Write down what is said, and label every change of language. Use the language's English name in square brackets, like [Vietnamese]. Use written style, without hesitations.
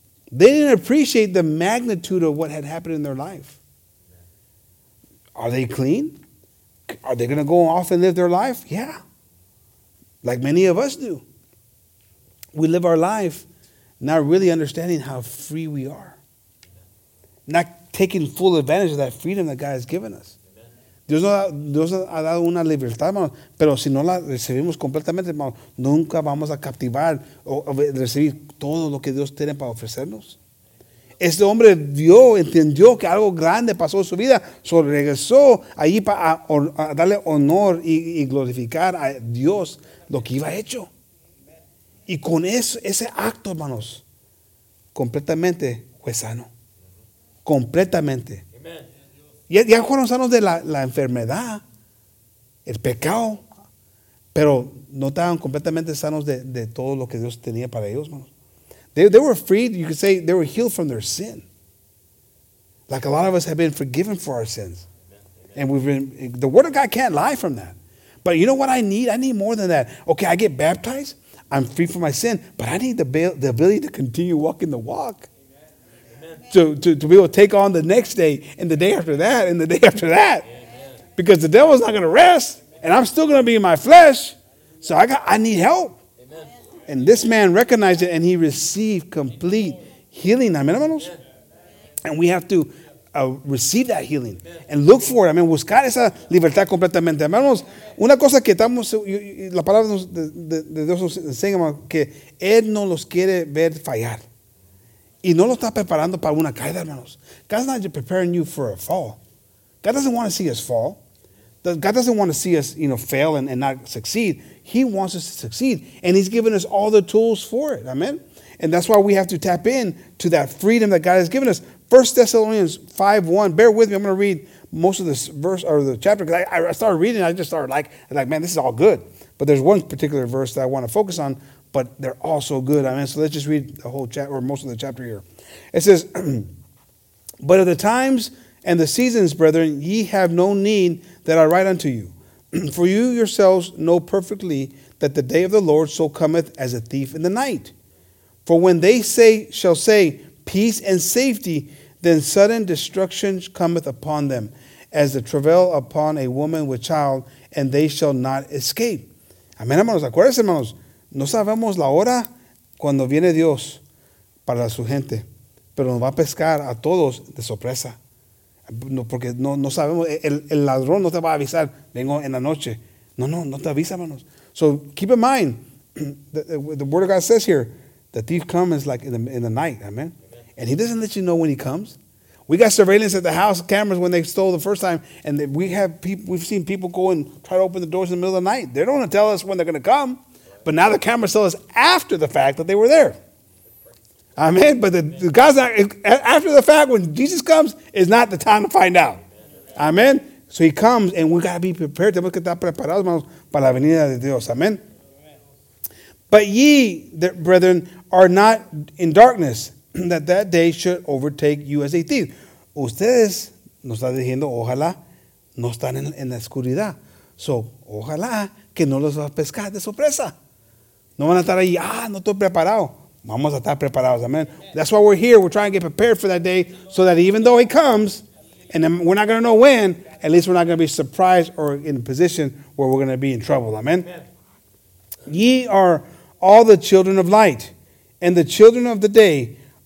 [English] They didn't appreciate the magnitude of what had happened in their life. Are they clean? Are they going to go off and live their life? Yeah. Like many of us do. We live our life not really understanding how free we are. Not taking full advantage of that freedom that God has given us. [Spanish] Dios ha dado una libertad, hermano, pero si no la recibimos completamente, hermano, nunca vamos a captivar o recibir todo lo que Dios tiene para ofrecernos. Este hombre vio, entendió que algo grande pasó en su vida, so regresó allí para a darle honor y glorificar a Dios lo que iba hecho. Y con eso, ese acto, hermanos, completamente fue sano. Completamente. Amen. Ya fueron sanos de la enfermedad, el pecado, pero no estaban completamente sanos de todo lo que Dios tenía para ellos, hermanos. [English] They were freed, you could say, they were healed from their sin. Like a lot of us have been forgiven for our sins. Amen. And we've been, the word of God can't lie from that. But you know what I need? I need more than that. Okay, I get baptized, I'm free from my sin, but I need the ability to continue walking the walk. Amen. To be able to take on the next day, and the day after that, and the day after that. Amen. Because the devil's not going to rest, and I'm still going to be in my flesh. So I need help. And this man recognized it, and he received complete healing. Amen, hermanos? And we have to receive that healing and look for it. [Spanish] Amen. Buscar esa libertad completamente. Amen, hermanos. Una cosa que estamos, la palabra de Dios nos enseña, hermanos, que Él no los quiere ver fallar. Y no los está preparando para una caída, hermanos. [English] God's not preparing you for a fall. God doesn't want to see us fall. God doesn't want to see us, you know, fail and not succeed. He wants us to succeed, and He's given us all the tools for it. Amen? And that's why we have to tap in to that freedom that God has given us. 1 Thessalonians 5:1. Bear with me. I'm going to read most of this verse or the chapter because I started reading. I just started like, man, this is all good. But there's one particular verse that I want to focus on, but they're all so good. Amen? So let's just read the whole chapter or most of the chapter here. It says, but of the times and the seasons, brethren, ye have no need that I write unto you. For you yourselves know perfectly that the day of the Lord so cometh as a thief in the night. For when they shall say, peace and safety, then sudden destruction cometh upon them, as the travail upon a woman with child, and they shall not escape. [Spanish] Amén, hermanos. Acuérdense, hermanos. No sabemos la hora cuando viene Dios para su gente, pero nos va a pescar a todos de sorpresa. No, porque no sabemos, el ladrón no te va a avisar, vengo en la noche. No te avisa, hermanos. [English] So keep in mind, the word of God says here, the thief comes like in the night, amen? Amen? And he doesn't let you know when he comes. We got surveillance at the house, cameras when they stole the first time, and we've seen people go and try to open the doors in the middle of the night. They don't want to tell us when they're going to come, but now the cameras tell us after the fact that they were there. Amen. But the God's not, after the fact, when Jesus comes, is not the time to find out. Amen. So he comes, and we got to be prepared. [Spanish] Tenemos que estar preparados, hermanos, para la venida de Dios. [English] Amen. But ye, brethren, are not in darkness, that day should overtake you as a thief. [Spanish] Ustedes nos están diciendo, ojalá no están en la oscuridad. So, ojalá que no los va a pescar de sorpresa. No van a estar ahí, no estoy preparado. Vamos a estar preparados, amen. [English] That's why we're here. We're trying to get prepared for that day so that even though it comes, and we're not going to know when, at least we're not going to be surprised or in a position where we're going to be in trouble, amen. Ye are all the children of light, and the children of the day.